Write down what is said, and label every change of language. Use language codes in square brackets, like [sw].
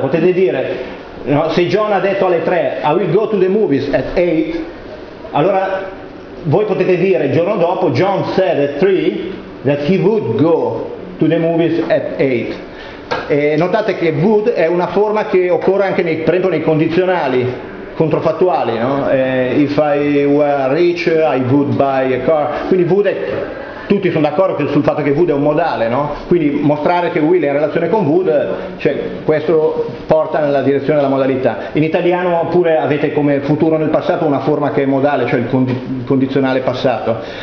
[it] Potete dire, no, se John ha detto alle 3 [en] I will go to the movies at 8, [it] allora voi potete dire il giorno dopo [en] John said at 3 that he would go to the movies at 8. [it] Notate che would è una forma che occorre anche nei, per esempio nei condizionali controfattuali, no? [en] If I were rich I would buy a car. [it] Quindi would è, tutti sono d'accordo sul fatto che would è un modale, no? Quindi mostrare che will è in relazione con would, cioè questo porta nella direzione della modalità. In italiano pure avete come futuro nel passato una forma che è modale, cioè il condizionale passato.